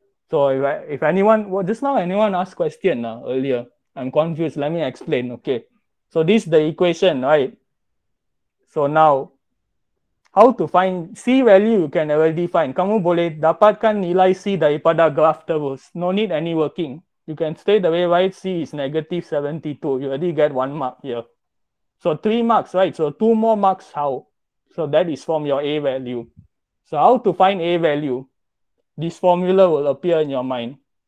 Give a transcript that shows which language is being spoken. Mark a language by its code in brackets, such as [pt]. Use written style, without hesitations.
[en] So, if anyone, well, just now anyone asked question earlier. I'm confused. Let me explain, okay. So, this is the equation, right? So, now, how to find C value you can already find. [ms] Kamu boleh dapatkan nilai C daripada graph terus. [en] No need any working. You can straight away write C is negative 72. You already get 1 mark here. So, 3 marks, right? So, 2 more marks how? So, that is from your A value. So, how to find A value? This formula will appear in your mind.